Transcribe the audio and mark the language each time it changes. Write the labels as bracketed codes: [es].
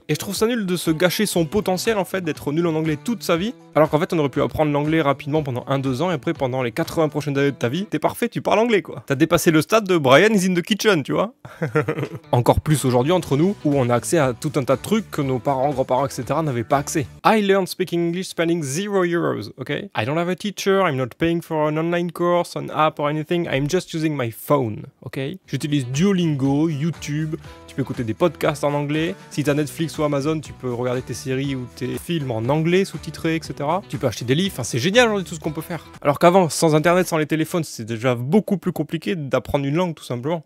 [fr] Et je trouve ça nul de se gâcher son potentiel en fait, d'être nul en anglais toute sa vie, alors qu'en fait on aurait pu apprendre l'anglais rapidement pendant 1-2 ans et après pendant les 80 prochaines années de ta vie, t'es parfait, tu parles anglais quoi. T'as dépassé le stade de [en] Brian is in the kitchen, [fr] tu vois. Encore plus aujourd'hui entre nous, où on a accès à tout un tas de trucs que nos parents, grands-parents, etc. n'avaient pas accès. [en] I learned speaking English spending 0 euros, ok? I don't have a teacher, I'm not paying for an online course, an app or anything, I'm just using my phone, ok? [fr] J'utilise Duolingo, YouTube, tu peux écouter des podcasts en anglais. Si t'as Netflix ou Amazon, tu peux regarder tes séries ou tes films en anglais, sous-titrés, etc. Tu peux acheter des livres, enfin, c'est génial aujourd'hui tout ce qu'on peut faire. Alors qu'avant, sans internet, sans les téléphones, c'était déjà beaucoup plus compliqué d'apprendre une langue tout simplement.